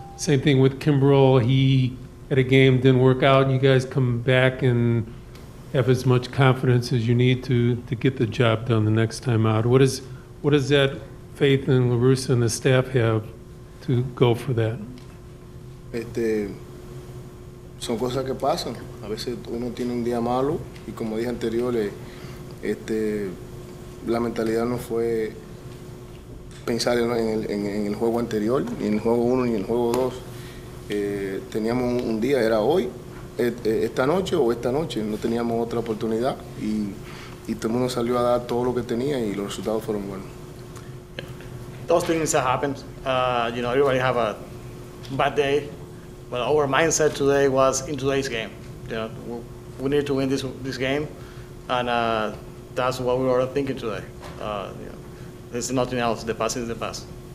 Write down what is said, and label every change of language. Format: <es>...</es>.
<en>Same thing with Kimbrel. He had a game, didn't work out. And you guys come back and have as much confidence as you need to get the job done the next time out. What does that faith in La Russa and the staff have to go for that? So</en> <es>son cosas que pasan. A veces uno tiene un día malo y como dije anterior, la mentalidad no fue pensar en el juego anterior, ni en el juego 1 ni en el juego 2. Teníamos un día, era hoy, esta noche o esta noche, no teníamos otra oportunidad y todo el mundo salió a dar todo lo que tenía y los resultados fueron buenos.</es> <en>Those things that happen, everybody have a bad day, but our mindset today was in today's game. You know, we need to win this game, and that's what we were thinking today. There's nothing else. The past is the past.</en>